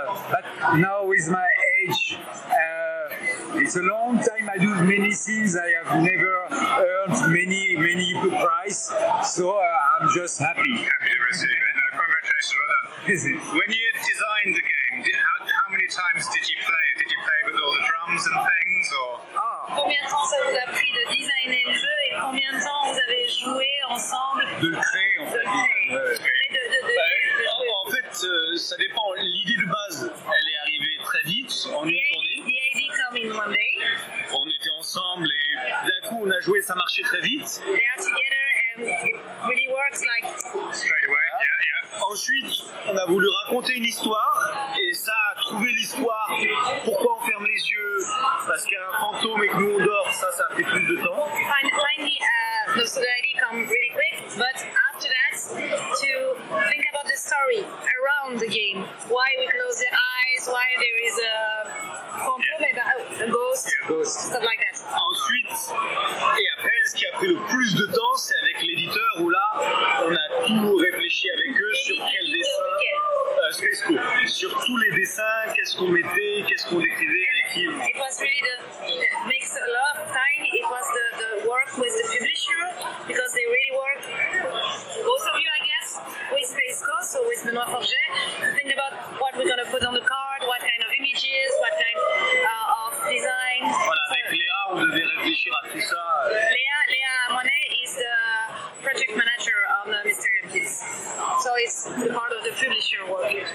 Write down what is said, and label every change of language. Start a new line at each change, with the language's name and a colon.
English: But now with my age, it's a long time I do many things. I have never earned many good prizes, so I'm just happy. Happy to receive it. Congratulations, well done. Is it? When you designed the game, how many times did you play it? Did you play with all the drums and things, or?
French: Combien de temps ça vous a pris de designer le jeu et combien de temps vous avez joué ensemble? De le créer, en fait. De créer. En fait, ça dépend. L'idée de base, elle est arrivée très vite, en une journée.
English: The idea came in one day.
French: On était ensemble et d'un coup, on a joué, ça marchait très vite.
English: They are together and it really works like... Straight away, yeah.
French: Ensuite, on a voulu raconter une histoire et ça a trouvé l'histoire. Pourquoi on ferme les yeux? Parce qu'il y a un fantôme et que nous on dort, ça fait plus de temps.
English: Finally, so the idea comes really quick, but after that, to think about the story around the game. Why we close the eyes, why there is a fantôme, a ghost, stuff like that.
French: Ensuite, et après, ce qui a pris le plus de temps, c'est avec l'éditeur où là, on a tout réfléchi avec eux sur quel dessin. Sur tous les dessins, qu'est-ce qu'on mettait, qu'est-ce qu'on écrivait, avec qui.
English: It was really the makes a lot of time. It was the work with the publisher because they really work. Both of you, I guess, with Space Coast, so with Benoît Forget, think about what we're gonna put on the card, what kind of images, what kind of design.
French: Voilà, avec Léa, on devait réfléchir à tout ça.
English: Léa Monet is the project manager of the Mystery of Kids. So it's the part of the publisher work.